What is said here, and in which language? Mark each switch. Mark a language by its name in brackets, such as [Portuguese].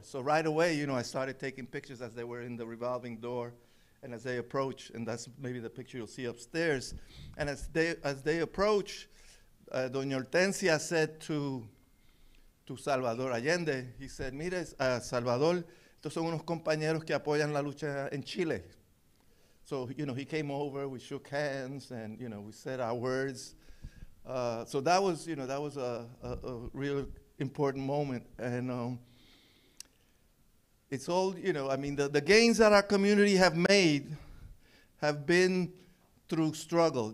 [English] So right away, you know, I started taking pictures as they were in the revolving door and as they approach, and that's maybe the picture you'll see upstairs. And as they approach, Doña Hortensia said to Salvador Allende, he said, [Spanish] mire, Salvador, Estos son unos compañeros que apoyan la lucha en Chile. [English] So, you know, he came over, we shook hands, and, you know, we said our words. So that was, you know, that was a real important moment. And it's all, you know, I mean, the gains that our community have made have been through struggle.